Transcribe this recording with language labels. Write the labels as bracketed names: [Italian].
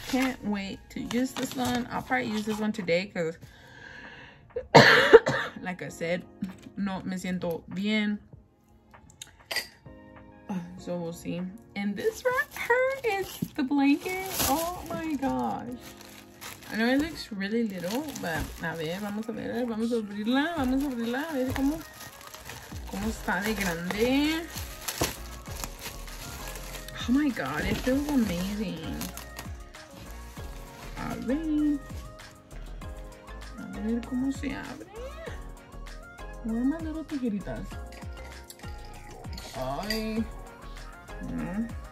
[English] Can't wait to use this one. I'll probably use this one today because, like I said, [Spanish] no me siento bien. [English] So we'll see. And this right here is the blanket. Oh my gosh. I know it looks really little, but [Spanish] vamos a abrirla. A ver cómo está de grande. [English] Oh my god, it feels amazing. [Spanish] Abre. A ver cómo se abre. [English] Where are my little tijeritas? Ay. No.